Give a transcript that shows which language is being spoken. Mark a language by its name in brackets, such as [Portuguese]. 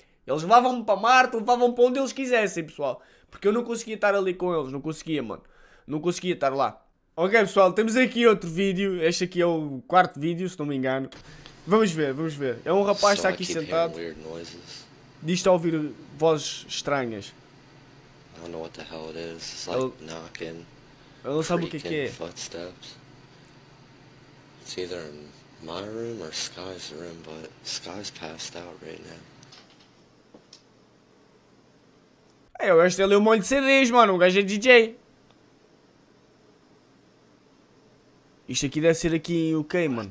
[Portuguese] Eles levavam-me para Marte, levavam-me para onde eles quisessem, pessoal! Porque eu não conseguia estar ali com eles! Não conseguia, mano! Não conseguia estar lá! Ok, pessoal, temos aqui outro vídeo. Este aqui é o quarto vídeo, se não me engano. Vamos ver. É um rapaz que está aqui sentado. Diz-te a ouvir vozes estranhas. [English] I don't know what the hell it is. It's like knocking. [Portuguese] Ele não sabe o que é. [English] Footsteps. It's either in my room or Sky's room, but Sky's passed out right now. [Portuguese] É, o gajo tem ali um monte de CDs, mano. O gajo é DJ. Isto aqui deve ser aqui em UK, mano.